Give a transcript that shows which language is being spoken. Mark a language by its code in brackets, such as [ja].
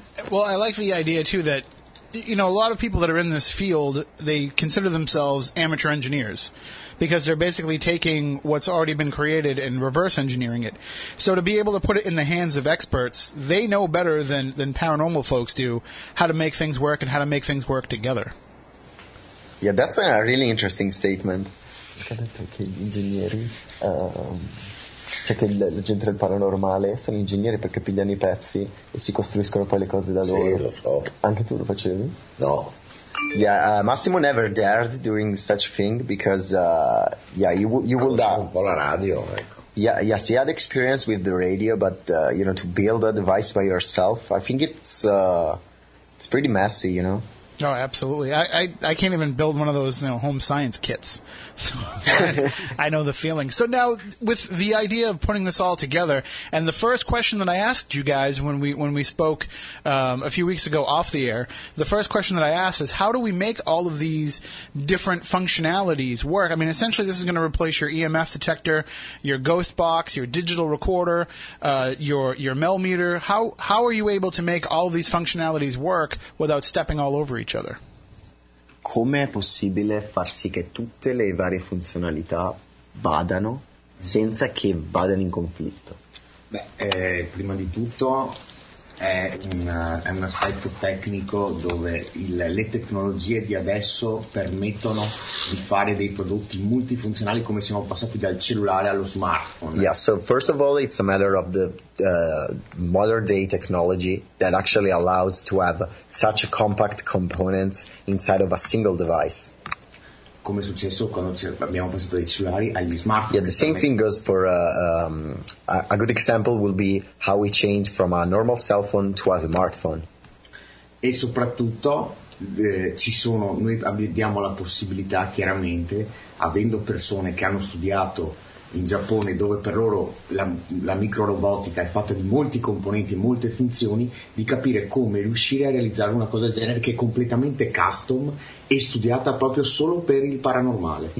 [en] Well, I like the idea, too, that, you know, a lot of people that are in this field, they consider themselves amateur engineers, because they're basically taking what's already been created and reverse engineering it. So to be able to put it in the hands of experts, they know better than paranormal folks do how to make things work and how to make things work together. Yeah, that's a really interesting statement. [it] Cioè che la gente del paranormale sono ingegneri perché pigliano i pezzi e si costruiscono poi le cose da loro. Sì, lo so. Anche tu lo facevi? No. [en] Yeah, Massimo never dared doing such thing because you will [it] un po' la radio, ecco. [en] Yeah, yes, he had experience with the radio, but you know, to build a device by yourself, I think it's pretty messy, you know. Oh, absolutely. I can't even build one of those, you know, home science kits. So I know the feeling. So now, with the idea of putting this all together, and the first question that I asked you guys when we spoke a few weeks ago off the air, the first question that I asked is, how do we make all of these different functionalities work? I mean, essentially, this is going to replace your EMF detector, your ghost box, your digital recorder, your mel meter. How are you able to make all of these functionalities work without stepping all over each other? [it] Come è possibile far sì che tutte le varie funzionalità vadano senza che vadano in conflitto? Beh, prima di tutto è un aspetto tecnico dove le tecnologie di adesso permettono di fare dei prodotti multifunzionali, come siamo passati dal cellulare allo smartphone. [en] Yeah, so first of all it's a matter of the modern day technology that actually allows to have such a compact component inside of a single device. [it] Come è successo quando abbiamo passato dai cellulari agli smartphone. [en] Yeah, the same thing goes for a good example will be how we change from a normal cell phone to a smartphone. [it] E soprattutto noi abbiamo la possibilità, chiaramente, avendo persone che hanno studiato in Giappone, dove per loro la microrobotica è fatta di molti componenti e molte funzioni, di capire come riuscire a realizzare una cosa del genere che è completamente custom e studiata proprio solo per il paranormale.